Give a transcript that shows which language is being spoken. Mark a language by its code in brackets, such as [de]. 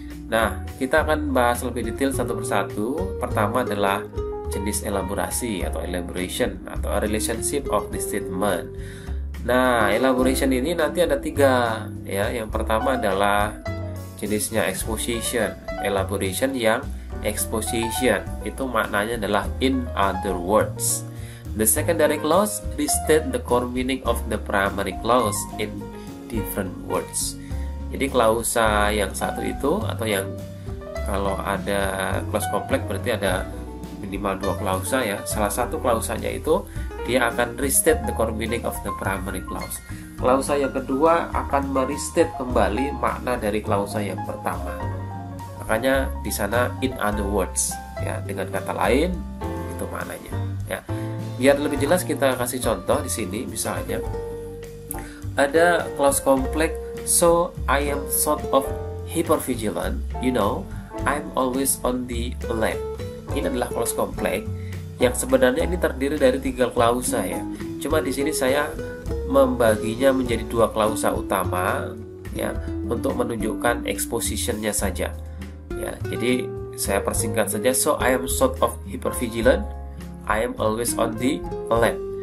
[id] Nah, kita akan bahas lebih detail satu persatu. Pertama adalah jenis elaborasi atau elaboration atau [en] relationship of the statement. [id] Nah, elaboration ini nanti ada 3 Yang pertama adalah jenisnya exposition. Elaboration yang exposition itu maknanya adalah [en] in other words. The secondary clause restate the core meaning of the primary clause in different words. [id] Jadi klausa yang satu itu, atau yang kalau ada clause complex berarti ada minimal 2 klausa Salah satu klausanya itu dia akan [en] restate the core meaning of the primary clause. [id] Klausa yang kedua akan merestate kembali makna dari klausa yang pertama. Makanya di sana [en] in other words [id] dengan kata lain itu maknanya Biar lebih jelas kita kasih contoh di sini misalnya. ada [en] close conflict, so I am sort of hypervigilant, you know, I'm always on the alert. [id] Ini adalah close conflict yang sebenarnya ini terdiri dari 3 klausa ya. Cuma di sini saya membaginya menjadi 2 klausa utama ya untuk menunjukkan exposition-nya saja. Ya, jadi saya persingkat saja, [en] so I am sort of hypervigilant, I am always on the alert.